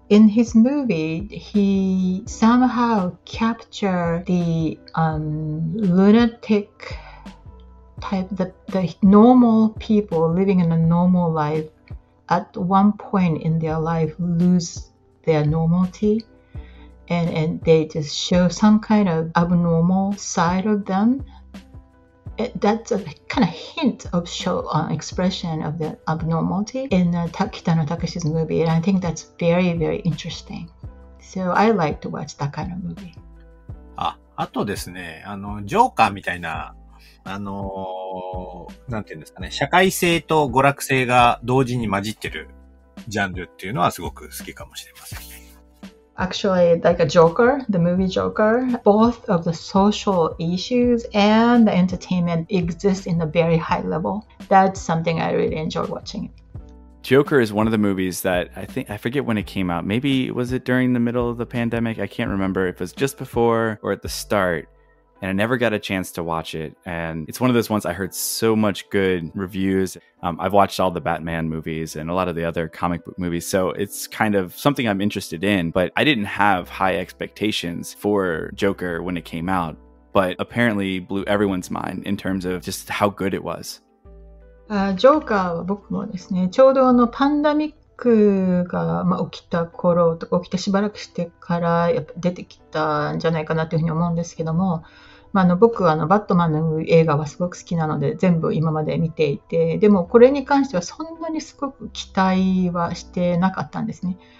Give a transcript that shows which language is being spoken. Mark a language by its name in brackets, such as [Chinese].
[English] In his movie, he somehow captured the lunatic type, the normal people living in a normal life at one point in their life lose their normality and they just show some kind of abnormal side of them. That's a kind of hint of expression of the abnormality in Kitano Takeshi's movie. And I think that's very, very interesting. So I like to watch that kind of movie. [Japanese] あとですね、あの、ジョーカーみたいな、あの、なんていうんですかね、社会性と娯楽性が同時に混じってるジャンルっていうのはすごく好きかもしれません。 [English] Actually, like a Joker, the movie Joker, both of the social issues and the entertainment exist in a very high level. That's something I really enjoy watching. Joker is one of the movies that I forget when it came out. Maybe was it during the middle of the pandemic? I can't remember if it was just before or at the start. And I never got a chance to watch it. And it's one of those ones I heard so much good reviews. I've watched all the Batman movies and a lot of the other comic book movies. So it's kind of something I'm interested in. But I didn't have high expectations for Joker when it came out. But apparently blew everyone's mind in terms of just how good it was. [Japanese] Joker は僕もですね、ちょうどあのパンデミックが、まあ、起きた頃とか起きてしばらくしてからやっぱ出てきたんじゃないかなというふうに思うんですけども、まあ、あの僕はあのバットマンの映画はすごく好きなので全部今まで見ていて、でもこれに関してはそんなにすごく期待はしてなかったんですね。